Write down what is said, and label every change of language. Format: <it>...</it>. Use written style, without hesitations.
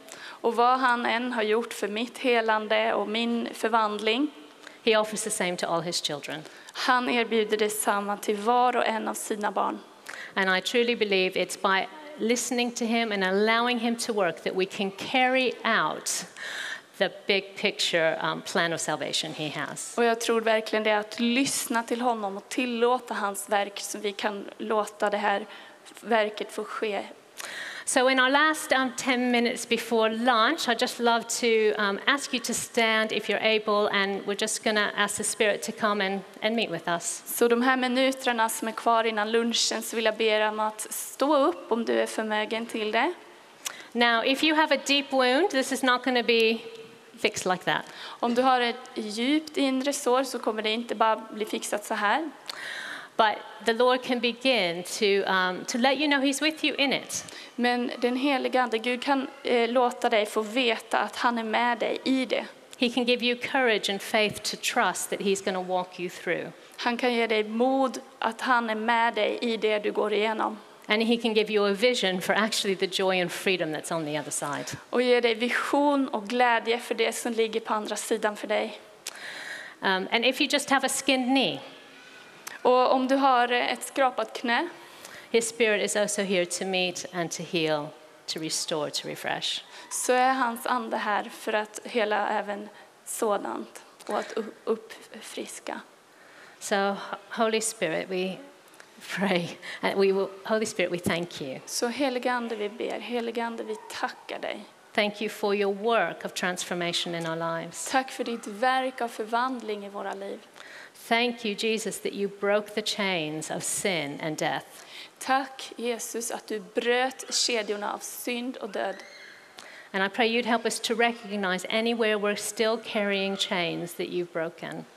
<sv>Och vad han än har gjort för mitt helande och min förvandling.</sv> <en>He offers the same to all his children.</en> <sv>Han erbjuder detsamma till var och en av sina barn.</sv> <en>And I truly believe it's by listening to him and allowing him to work that we can carry out the big picture plan of salvation he has.</en> <sv>Och jag tror verkligen det är att lyssna till honom och tillåta hans verk så vi kan låta det här verket få ske.</sv> <en>So in our last 10 minutes before lunch, I'd just love to ask you to stand if you're able, and we're just going to ask the Spirit to come and meet with us.</en> <sv>Så de här minuterna som är kvar innan lunchen så vill jag be er om att stå upp om du är förmögen till det.</sv> <en>Now, if you have a deep wound, this is not going to be fixed like that.</en> <sv>Om du har ett djupt inre sår så kommer det inte bara bli fixat så här.</sv> <en>But the Lord can begin to let you know he's with you in it.</en> <sv>Men den helige ande Gud kan låta dig få veta att han är med dig i det.</sv> <en>He can give you courage and faith to trust that he's going to walk you through.</en> <sv>Han kan ge dig mod att han är med dig i det du går igenom.</sv> <en>And he can give you a vision for actually the joy and freedom that's on the other side.</en> <sv>Och ge dig vision och glädje för det som ligger på andra sidan för dig.</sv> <en>And if you just have a skinned knee.</en> <sv>Och om du har ett skrapat knä.</sv> <en>His spirit is also here to meet and to heal, to restore, to refresh.</en> <sv>Så är hans ande här för att hela även sådant och att uppfriska.</sv> <en>So Holy Spirit, we pray and we thank you.</en> <sv>Så helige ande vi ber, helige ande vi tackar dig.</sv> <en>Thank you for your work of transformation in our lives.</en> <sv>Tack för ditt verk av förvandling i våra liv.</sv> <en>Thank you Jesus that you broke the chains of sin and death.</en> <sv>Tack Jesus att du bröt kedjorna av synd och död.</sv> <en>And I pray you'd help us to recognize anywhere we're still carrying chains that you've broken.</en>